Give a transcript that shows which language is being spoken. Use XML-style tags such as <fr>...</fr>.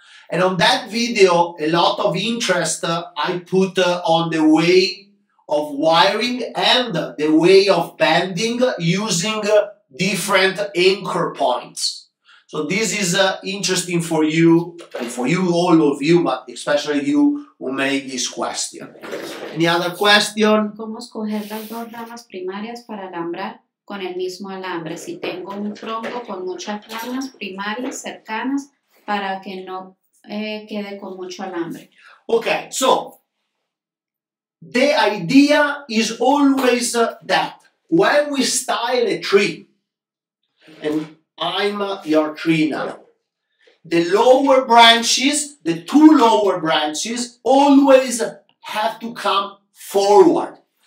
<en>And on that video, a lot of interest I put on the way of wiring and the way of bending using different anchor points. So this is interesting for you, and for you, all of you, but especially you who made this question. Any other question?</en> <es>¿Cómo escoger las dos ramas primarias para alambrar con el mismo alambre? Si tengo un tronco con muchas ramas primarias cercanas para que no quede con mucho alambre.</es> <en>Okay, so the idea is always that when we style a tree, and I'm your tree now, the lower branches, the two lower branches, always have to come forward.</en>